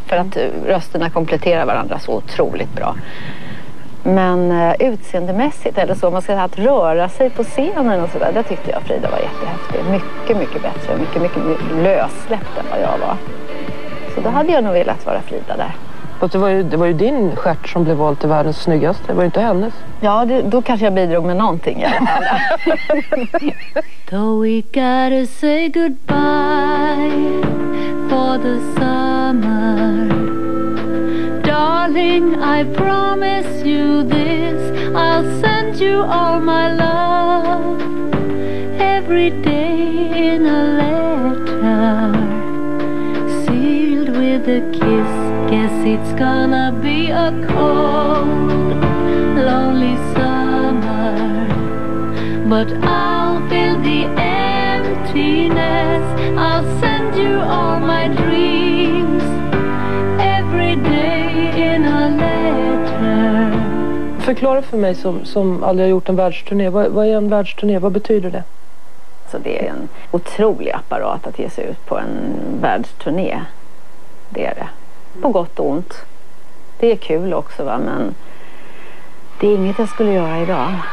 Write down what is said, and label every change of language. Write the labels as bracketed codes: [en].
[sv] För att rösterna kompletterar varandra så otroligt bra. Men utseendemässigt eller så, man ska säga att röra sig på scenen och sådär, det tyckte jag Frida var jättehäftig. Mycket, mycket bättre. Mycket, mycket lössläppt än vad jag var. Så då hade jag nog velat vara Frida där. Och det var ju din stjärt som blev vald till världens snyggaste. Det var ju inte hennes. Ja, då kanske jag bidrog med någonting. [en] Though we gotta say goodbye for the summer, darling, I promise you this, I'll send you all my love every day in a letter sealed with a kiss. Guess it's gonna be a cold, lonely summer, but I'll fill the emptiness. I'll send you all my dreams every day in a letter. [sv] Förklara för mig som aldrig har gjort en världsturné. Vad är en världsturné? Vad betyder det? Så det är en otrolig apparat att ge sig ut på en världsturné. Det är det. På gott och ont. Det är kul också, va? Men det är inget jag skulle göra idag.